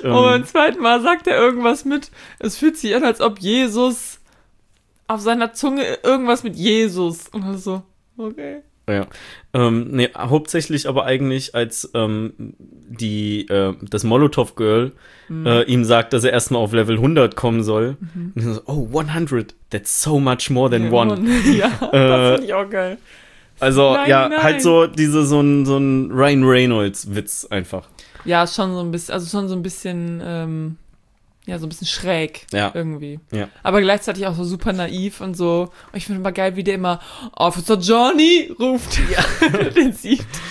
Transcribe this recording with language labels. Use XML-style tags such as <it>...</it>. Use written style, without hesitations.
<de>Und beim zweiten Mal sagt er irgendwas mit, es fühlt sich an, als ob Jesus auf seiner Zunge irgendwas mit Jesus. Und dann so, okay. Ja, hauptsächlich aber eigentlich, als das Molotov-Girl ihm sagt, dass er erstmal auf Level 100 kommen soll. Mhm. Und so,</de> <en>oh, 100, that's so much more than one.</en> <de>Ja, das finde ich auch geil. Also, nein, ja, nein. Halt so diese so ein Ryan Reynolds-Witz einfach. Ja, schon so ein bisschen schräg irgendwie. Ja. Aber gleichzeitig auch so super naiv und so. Und ich finde immer geil, wie der immer Officer Johnny ruft, den sieht.</de>